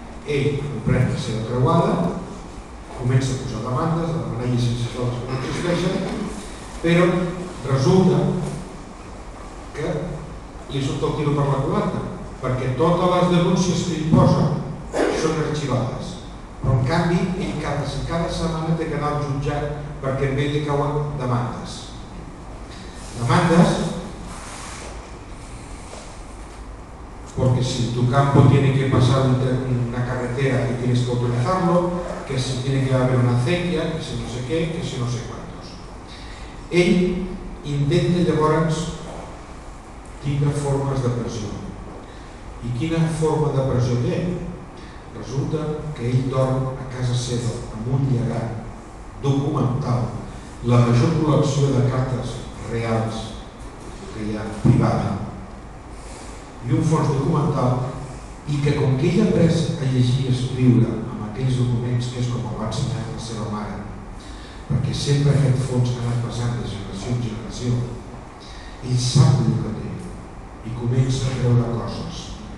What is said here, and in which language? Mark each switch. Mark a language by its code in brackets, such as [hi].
[ca] Ell compren la seva creuada, comença a posar demandes, a demanar llicències d'obres que no existeixen, però resulta que li surt el tiro per la culata, perquè totes les denúncies que hi posa són arxivades. Però en canvi, ell cada setmana té que anar al jutjat perquè a ell li cauen demandes. [es] Demandes perquè si tu campo tiene que passar una carretera i tienes que autorizarlo, que si tiene que haver una acequia, que si no sé què, que si no sé quantos. [ca] Ell intenta llavors tindre formes de pressió. I quina forma de pressió té? Resulta que ell dorm a casa seva amb un llegat documental, la major col·lecció de cartes reals que hi ha privada, i un fons documental, i que com que ell ha après a llegir i escriure amb aquells documents, que és com el va ensenyar la seva mare, perquè sempre aquest fons ha anat passant de generació en generació, ell sap el que té i comença a treure coses.